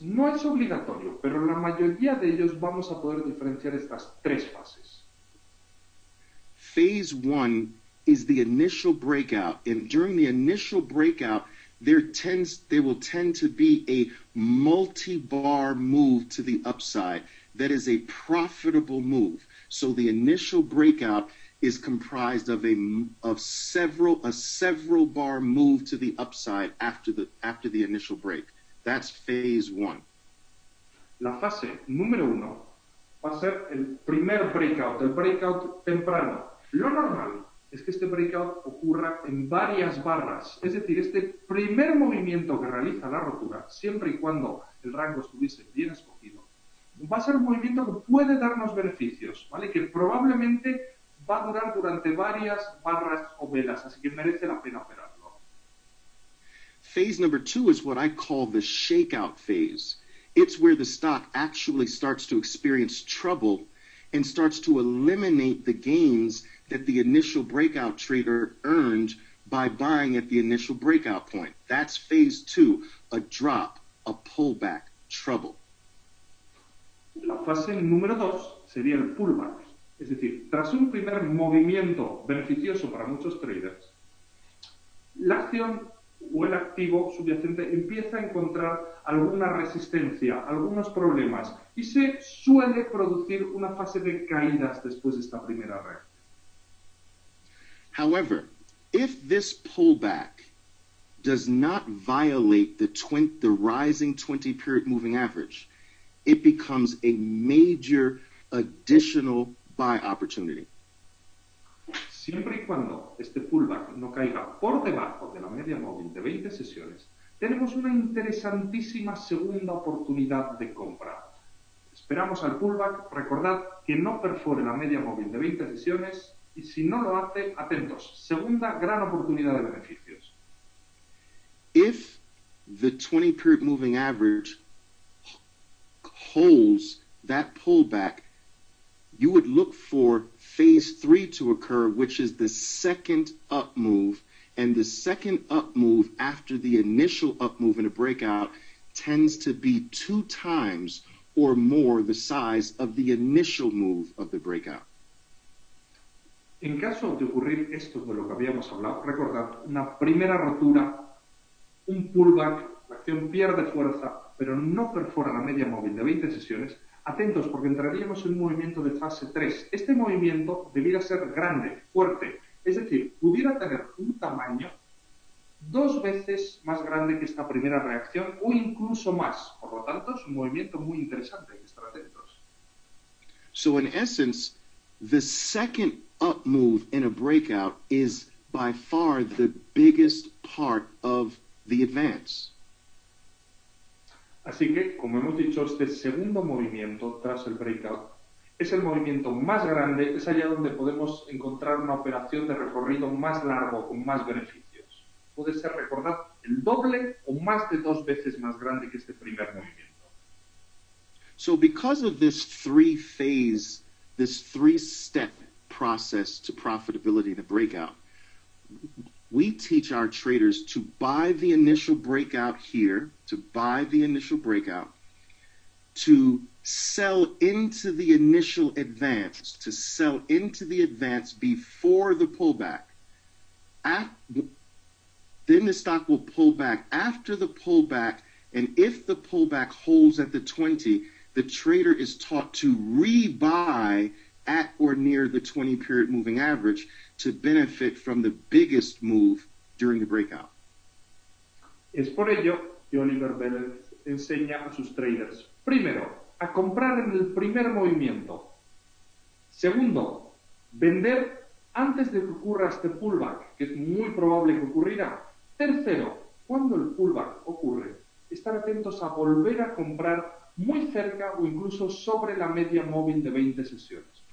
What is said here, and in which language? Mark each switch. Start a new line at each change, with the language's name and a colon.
Spanish: No es obligatorio, pero la mayoría de ellos vamos a poder diferenciar estas tres fases.
English: Phase one is the initial breakout, and during the initial breakout there will tend to be a multi-bar move to the upside that is a profitable move. So the initial breakout is comprised of several bar move to the upside after the initial break. That's phase one.
Spanish: La fase número uno va a ser el primer breakout, el breakout temprano. Lo normal es que este breakout ocurra en varias barras. Es decir, este primer movimiento que realiza la rotura, siempre y cuando el rango estuviese bien escogido, va a ser un movimiento que puede darnos beneficios, ¿vale? Que probablemente va a durar durante varias barras o velas, así que merece la pena operarlo.
English: Phase number two is what I call the shakeout phase. It's where the stock actually starts to experience trouble and starts to eliminate the gains that the initial breakout trader earned by buying at the initial breakout point. That's phase two, a drop, a pullback, trouble.
Spanish: La fase número dos sería el pullback. Es decir, tras un primer movimiento beneficioso para muchos traders, la acción o el activo subyacente empieza a encontrar alguna resistencia, algunos problemas, y se suele producir una fase de caídas después de esta primera reacción.
English: However, if this pullback does not violate the rising 20 period moving average, it becomes a major additional buy opportunity.
Spanish: Siempre y cuando este pullback no caiga por debajo de la media móvil de 20 sesiones, tenemos una interesantísima segunda oportunidad de compra. Esperamos al pullback, recordad que no perfore la media móvil de 20 sesiones y si no lo hace, atentos, segunda gran oportunidad de beneficios.
English: If the 20-period moving average holds that pullback, you would look for phase three to occur, which is the second up move. And the second up move after the initial up move in a breakout tends to be two times or more the size of the initial move of the breakout.
Spanish: En caso de ocurrir esto de lo que habíamos hablado, recordad, una primera rotura, un pullback, la acción pierde fuerza, pero no perfora la media móvil de 20 sesiones, atentos porque entraríamos en un movimiento de fase 3. Este movimiento debiera ser grande, fuerte, es decir, pudiera tener un tamaño dos veces más grande que esta primera reacción o incluso más. Por lo tanto, es un movimiento muy interesante, hay que estar atentos.
English: So in essence, the second up move in a breakout is by far the biggest part of the advance.
Spanish: Así que, como hemos dicho, este segundo movimiento tras el breakout es el movimiento más grande, es allá donde podemos encontrar una operación de recorrido más largo, con más beneficios. Puede ser, recordad, el doble o más de dos veces más grande que este primer movimiento.
English: So because of this three phase, this three step process to profitability in a breakout, we teach our traders to buy the initial breakout here, to buy the initial breakout, to sell into the initial advance, to sell into the advance before the pullback. Then the stock will pull back after the pullback, and if the pullback holds at the 20, the trader is taught to rebuy at or near the 20-period moving average to benefit from the biggest move during the breakout.
Spanish: Es por ello que Oliver Vélez enseña a sus traders, primero, a comprar en el primer movimiento. Segundo, vender antes de que ocurra este pullback, que es muy probable que ocurrirá. Tercero, cuando el pullback ocurre, estar atentos a volver a comprar muy cerca o incluso sobre la media móvil de 20 sesiones.